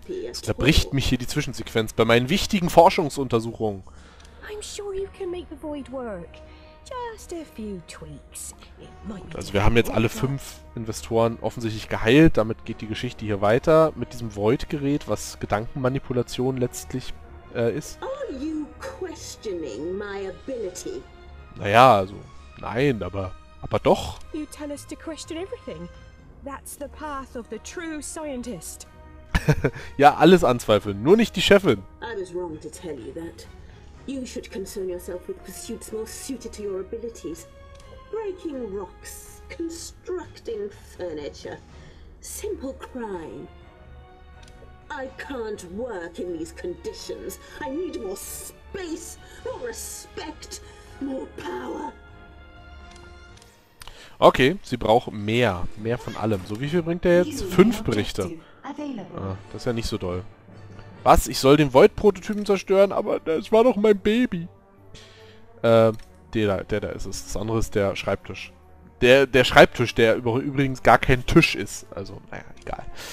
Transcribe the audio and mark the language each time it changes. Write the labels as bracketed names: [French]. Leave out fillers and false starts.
[German] Es zerbricht mich hier die Zwischensequenz bei meinen wichtigen Forschungsuntersuchungen. [English] I'm sure you can make the void work. Just a few tweaks. [German] Gut, also wir haben jetzt alle fünf Investoren offensichtlich geheilt. Damit geht die Geschichte hier weiter mit diesem Void-Gerät, was Gedankenmanipulation letztlich ist. [English] Are you questioning my ability? [German] Naja, also nein, aber doch. [English] You tell us to question everything. That's the path of the true scientist. [German] Ja, alles anzweifeln, nur nicht die Chefin. [English] I was wrong to tell you that. You should concern yourself with pursuits more suited to your abilities. Breaking rocks, constructing furniture, simple crime. I can't work in these conditions. I need more space, more respect, more power. [German] Okay, sie braucht mehr. Mehr von allem. So, wie viel bringt der jetzt? Fünf Berichte. Ah, das ist ja nicht so doll. Was? Ich soll den Void-Prototypen zerstören? Aber das war doch mein Baby. Der da ist es. Das andere ist der Schreibtisch. Der Schreibtisch, der übrigens gar kein Tisch ist. Also, naja, egal.